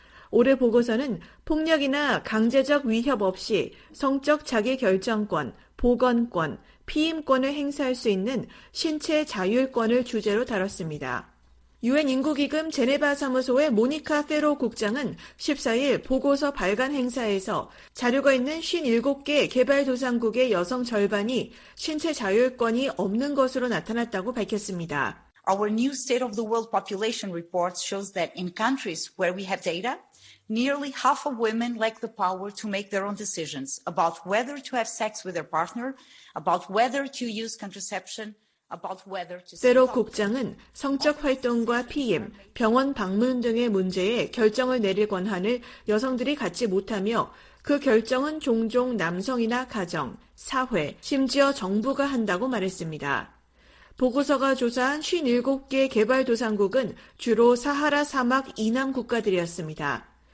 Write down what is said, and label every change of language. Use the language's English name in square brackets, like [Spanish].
[Korean] 올해 보고서는 폭력이나 강제적 위협 없이 성적 자기결정권, 보건권, 피임권을 행사할 수 있는 신체 자율권을 주제로 다뤘습니다. 유엔 인구기금 제네바 사무소의 모니카 페로 국장은 14일 보고서 발간 행사에서 자료가 있는 57개 개발도상국의 여성 절반이 신체 자율권이 없는 것으로 나타났다고 밝혔습니다. [English] Our new state of the world population report shows that in countries where we have data, nearly half of women lack the power to make their own decisions about whether to have sex with their partner, about whether to use contraception. [Korean] 페로 국장은 성적 활동과 피임, 병원 방문 등의 문제에 결정을 내릴 권한을 여성들이 갖지 못하며 그 결정은 종종 남성이나 가정, 사회, 심지어 정부가 한다고 말했습니다. 보고서가 조사한 57개 개발도상국은 주로 사하라 사막 이남 국가들이었습니다.